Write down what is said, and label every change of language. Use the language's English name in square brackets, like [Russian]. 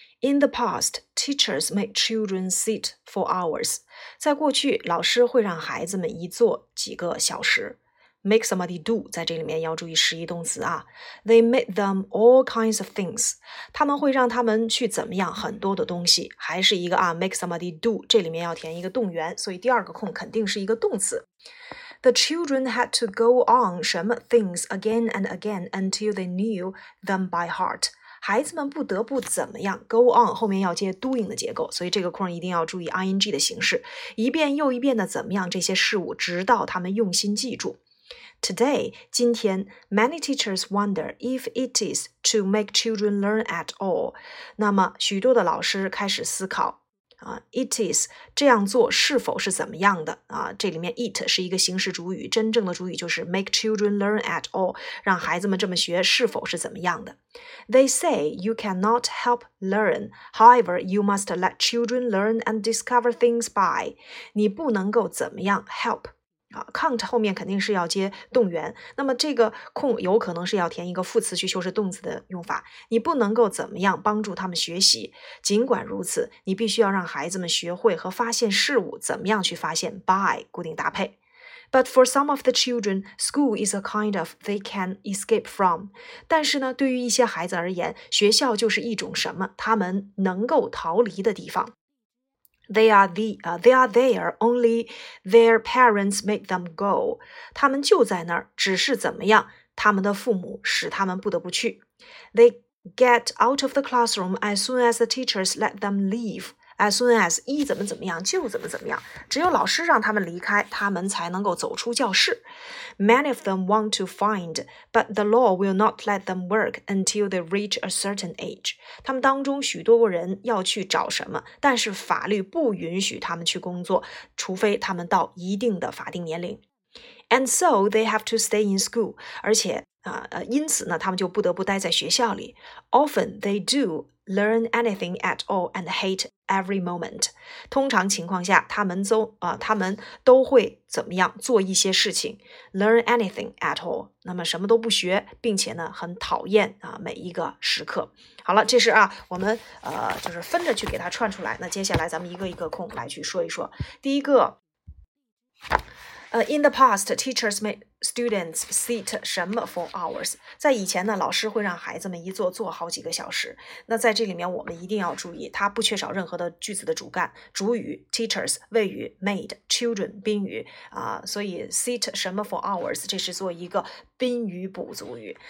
[English] In the past, teachers make children sit for hours. [Chinese] 在过去，老师会让孩子们一坐几个小时。 [English] Make somebody do, [Chinese] 在这里面要注意实义动词啊。 [English] They make them all kinds of things. [Chinese] 他们会让他们去怎么样很多的东西。还是一个啊 , [English] make somebody do, [Chinese] 这里面要填一个动员，所以第二个空肯定是一个动词。 [English] The children had to go on 什么 things again and again until they knew them by heart. [Chinese] 孩子们不得不怎么样 go on 后面要接 doing 的结构，所以这个空一定要注意 ing 的形式，一遍又一遍的怎么样这些事物，直到他们用心记住。 [English] Today, 今天 many teachers wonder if it is to make children learn at all. [Chinese] 那么许多的老师开始思考it is 这样做是否是怎么样的这里面 it 是一个形式主语，真正的主语就是 [English] make children learn at all， [Chinese] 让孩子们这么学是否是怎么样的。 [English] They say you cannot help learn. However, you must let children learn and discover things by. [Chinese] 你不能够怎么样 [English] help count [Chinese] 后面肯定是要接动员，那么这个空有可能是要填一个副词去修饰动词的用法。你不能够怎么样帮助他们学习，尽管如此，你必须要让孩子们学会和发现事物，怎么样去发现 by 固定搭配。 [English] But for some of the children, school is a kind of they can escape from. [Chinese] 但是呢，对于一些孩子而言，学校就是一种什么他们能够逃离的地方。 [English] They are there, only their parents make them go. [Chinese] 他们就在那儿，只是怎么样，他们的父母使他们不得不去。 [English] They get out of the classroom as soon as the teachers let them leave. As soon as, [Chinese] 一怎么怎么样，就怎么怎么样。只有老师让他们离开，他们才能够走出教室。 [English] Many of them want to find, but the law will not let them work until they reach a certain age. [Chinese] 他们当中许多人要去找什么，但是法律不允许他们去工作，除非他们到一定的法定年龄。 [English] And so they have to stay in school. [Chinese] 而且因此呢，他们就不得不待在学校里。 [English] Often they do learn anything at all and hate every moment. [Chinese] 通常情况下，他们都会怎么样做一些事情 ， [English] learn anything at all. [Chinese] 那么什么都不学，并且呢，很讨厌每一个时刻。好了，这是啊，我们就是分着去给它串出来。那接下来咱们一个一个空来去说一说。第一个。 [English] In the past, teachers made students sit 什么 for hours. [Chinese] 在以前呢，老师会让孩子们一坐坐好几个小时。那在这里面我们一定要注意，它不缺少任何的句子的主干，主语 teachers, 谓语 made, children, 宾语所以 sit 什么 for hours, 这是做一个宾语补足语。